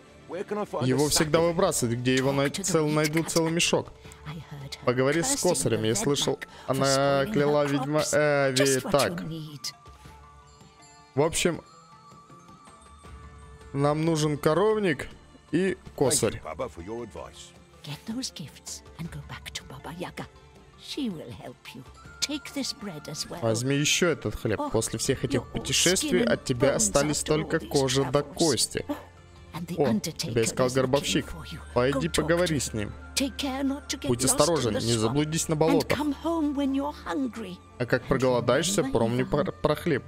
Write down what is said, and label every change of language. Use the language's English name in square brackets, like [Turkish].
[Russian] Его всегда выбрасывают. Где его найдут целый мешок? Поговори с косарем. Я слышал, она кляла ведьма Эви. Так. В общем, нам нужен коровник и косарь. [English] Get those gifts and go back to Baba Yaga. She will help you. Take this bread as well. [Russian] Возьми еще этот хлеб. После всех этих путешествий от тебя остались только кожа да кости. О, тебя искал горбовщик. Пойди поговори с ним. Будь осторожен, не заблудись на болотах. А как проголодаешься, помни про хлеб.